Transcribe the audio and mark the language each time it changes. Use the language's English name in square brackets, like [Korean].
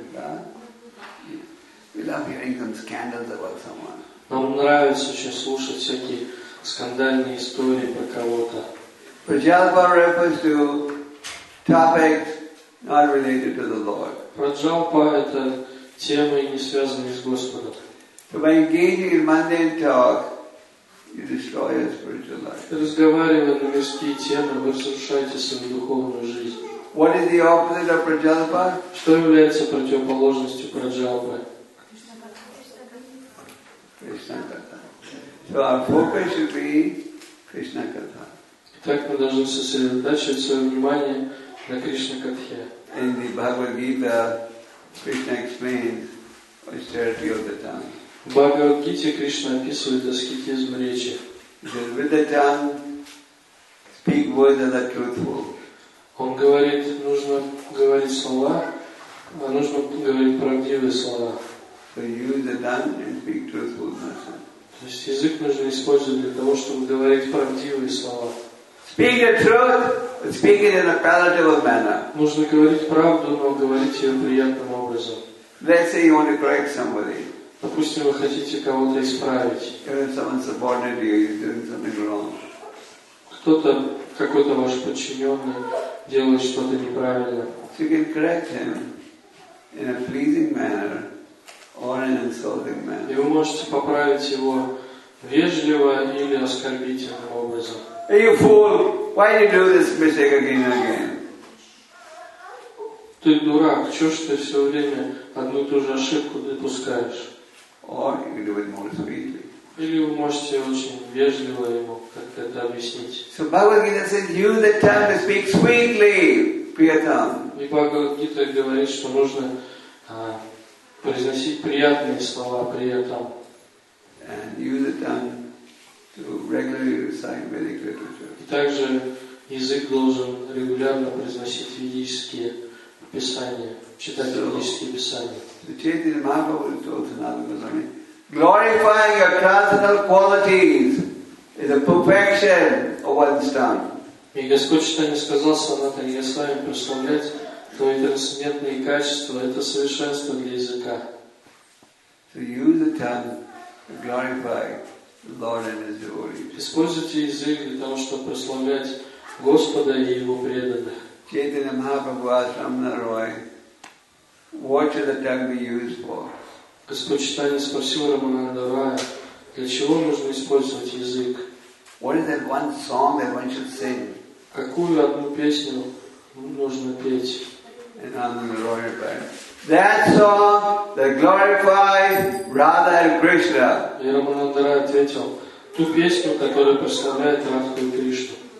[Russian] Да. [English] We love hearing some scandals about someone. [Russian] Нам нравится очень слушать всякие скандальные истории про кого-то. [English] Праджалпа refers to topics not related to the Lord. [Russian] Праджалпа — это темы, не связанные с Господом. [English] So by engaging in mundane talk, you destroy your spiritual life. [Russian] Разговаривая на мирские темы, вы разрушаете свою духовную жизнь. [English] What is the opposite of prajalpa? [Russian] Что является противоположностью праджалпы? [English] Krishna katha. So our focus should be Krishna katha. [Russian] Итак, мы должны сосредоточить свое внимание на Кришна катхе. [English] In the Bhagavad Gita, Krishna explains austerity of the tongue. [Russian] В Бхагавад Гите Кришна описывает аскетизм речи. [English] With the tongue, speak words that are truthful. [Russian] Он говорит, нужно говорить слова, а нужно говорить правдивые слова. [English] So use the tongue and speak truthful message. [Russian] То есть язык нужно использовать для того, чтобы говорить правдивые слова. [English] Speak the truth, but speak it in a palatable manner. [Russian] Нужно говорить правду, но говорить ее приятным образом. [English] Let's say you want to correct somebody. [Russian] Допустим, вы хотите кого-то исправить. [English] Or someone subordinate you, you're doing something wrong. [Russian] Кто-то, какой-то ваш подчиненный делает что-то неправильно. [English] So you can correct him in a pleasing manner or in an insulting manner. [Russian] И вы можете поправить его вежливо или оскорбительным образом. [English] Hey, you fool! Why you do this mistake again and again? [Russian] Ты дурак. Чего ж ты все время одну и ту же ошибку допускаешь? [English] Or you can do it more sweetly. [Russian] Или вы можете очень вежливо ему как-то это объяснить. [English] So Bhagavad Gita says, use the tongue to speak sweetly, Priyatam. [Russian] И Бхагавад Гита говорит, что нужно произносить приятные слова, Priyatam. [English] And use the tongue to regularly recite Vedic literature. [Russian] И также язык должен регулярно произносить ведические писания, читать ведические писания. [English] The Chaitanya Mahaprabhu told Sanatana Goswami, glorifying your transcendental qualities is the perfection of one's tongue. [Russian] И Господь Читания сказал Санатане Госвами, прославлять твои трансцендентные качества — это совершенство для языка. [English] So use the tongue to glorify the Lord and His devotees. [Russian] Используйте язык для того, чтобы прославлять Господа и Его преданных. [English] Chaitanya Mahaprabhu asked Ramana Roy, what should the tongue be used for? [Russian] Господь Читания спросил Рамананда Рая, для чего нужно использовать язык? [English] What is that one song that one should sing? [Russian] Какую одну песню нужно петь? [English] And I'm the glorified. That song that glorifies Radha and Krishna. [Russian] И Рамананда ответил ту песню, которая прославляет Радху и Кришну.